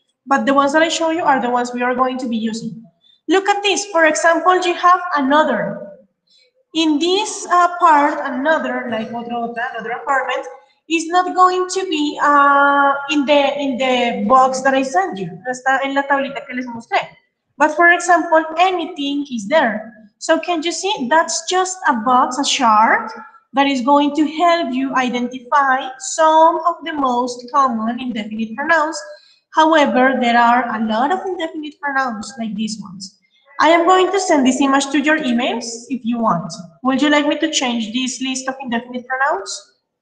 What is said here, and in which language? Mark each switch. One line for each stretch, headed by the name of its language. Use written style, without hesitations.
English: But the ones that I show you are the ones we are going to be using. Look at this. For example, you have another. In this part, another, like another apartment, is not going to be in the box that I send you.
Spanish: No está en la tablita que les mostré.
English: But for example, anything is there. So can you see? That's just a box, a chart, that is going to help you identify some of the most common indefinite pronouns. However, there are a lot of indefinite pronouns like these ones. I am going to send this image to your emails if you want. Would you like me to change this list of indefinite pronouns?